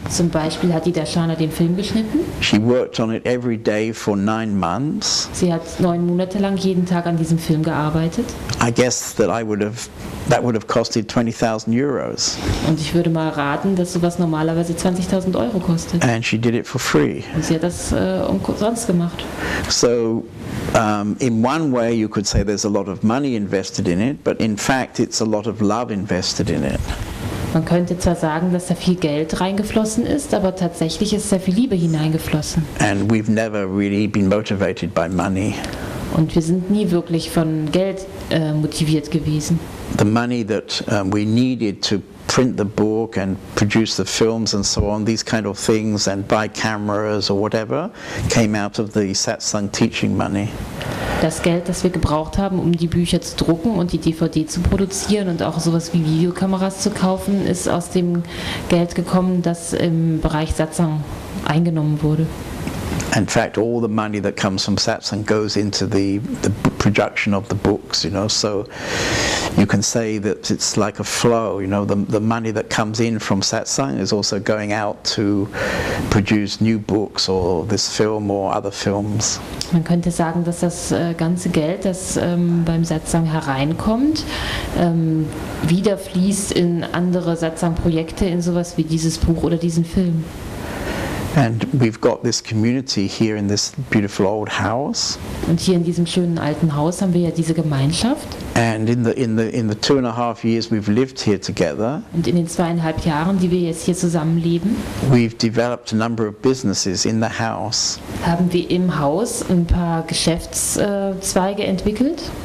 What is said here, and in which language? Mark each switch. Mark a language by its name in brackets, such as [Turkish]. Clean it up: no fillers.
[German] Zum Beispiel hat die Dashana den Film geschnitten. [English] She worked on it every day for 9 months. [German] Sie hat 9 Monate lang jeden Tag an diesem Film gearbeitet. [English] I guess that I would have, that would have costed 20,000 euros. [German] Und ich würde mal raten, dass sowas normalerweise 20.000 Euro kostet. [English] And she did it for free. [German] Und sie hat das umsonst gemacht. [English] So, in one way you could say there's a lot of money invested in it, but in fact it's a lot of love invested in it. [German] Man könnte zwar sagen, dass da viel Geld reingeflossen ist, aber tatsächlich ist sehr viel Liebe hineingeflossen. [English] And we've never really been motivated by money. [German] Und wir sind nie wirklich von Geld motiviert gewesen. [English] The money that we needed to print the book and produce the films and so on, these kind of things, and buy cameras or whatever, came out of the satsang teaching money. [German] Das Geld, das wir gebraucht haben, um die Bücher zu drucken und die DVD zu produzieren und auch sowas wie Videokameras zu kaufen, ist aus dem Geld gekommen, das im Bereich Satsang eingenommen wurde. [English] In fact, all the money that comes from Satsang goes into the production of the books, you know, so you can say that it's like a flow, you know, the money that comes in from Satsang is also going out to produce new books or this film or other films. [German] Man könnte sagen, dass das ganze Geld, das beim Satsang hereinkommt, wieder fließt in andere Satsang-Projekte, in sowas wie dieses Buch oder diesen Film. [English] And we've got this community here in this beautiful old house. [German] Und hier in diesem schönen alten Haus haben wir ja diese Gemeinschaft. [English] And in the 2.5 years we've lived here together. [German] Und in den 2.5 Jahren, die wir jetzt hier zusammenleben. [English] We've developed a number of businesses in the house. [German] Haben wir im Haus ein paar Geschäftszweige entwickelt?